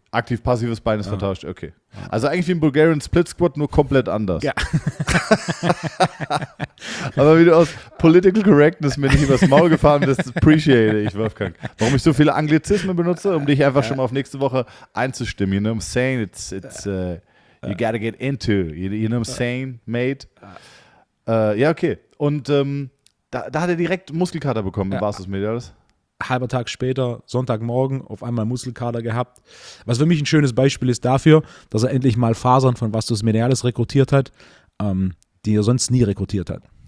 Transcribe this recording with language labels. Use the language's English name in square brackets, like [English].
[German] Aktiv-passives Bein ist vertauscht, okay. Also eigentlich wie ein Bulgarian Split Squat, nur komplett anders. Ja. Aber wie du aus Political Correctness mir nicht übers Maul gefahren bist, appreciate ich, Wolfgang. Warum ich so viele Anglizismen benutze, um dich einfach schon mal auf nächste Woche einzustimmen. [English] You know what I'm saying? You gotta get into. You know what I'm saying, mate? Okay. [German] Und da hat er direkt Muskelkater bekommen, war es das Medialis? Halber Tag später, Sonntagmorgen, auf einmal Muskelkater gehabt. Was für mich ein schönes Beispiel ist dafür, dass er endlich mal Fasern von Vastus Medialis rekrutiert hat, die er sonst nie rekrutiert hat.